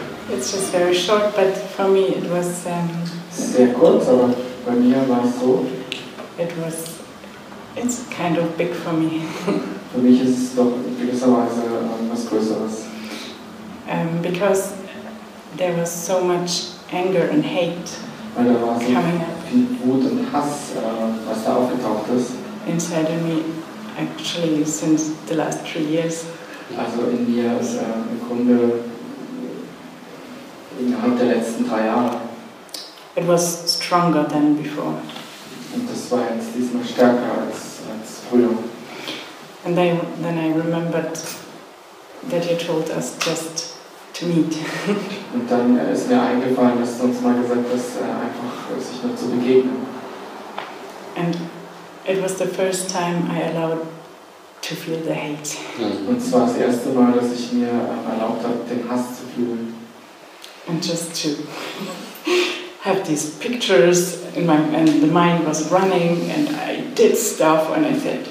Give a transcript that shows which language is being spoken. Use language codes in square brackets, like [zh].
[en] It's just very short, but for me it was... [de] Sehr kurz, aber bei mir war es so. [en] It's kind of big for me. [de] Für mich ist es doch in gewisser Weise was Größeres. [en] Because there was so much anger and hate coming up. [de] Weil da war so viel Wut und Hass, was da aufgetaucht ist. [en] Inside of me, actually, since the last 3 years. [de] Also in mir ist im Grunde innerhalb der letzten 3 Jahre. [en] It was stronger than before. [de] Und das war jetzt diesmal stärker als früher. [en] And then I remembered that you told us just to meet. [de] Und dann ist mir eingefallen, dass du uns mal gesagt hast, einfach sich nur zu begegnen. [en] And it was the first time I allowed to feel the hate. [de] Und es war das erste Mal, dass ich mir erlaubt habe, den Hass zu fühlen. [en] And just to have these pictures in my and the mind was running and I did stuff and I said.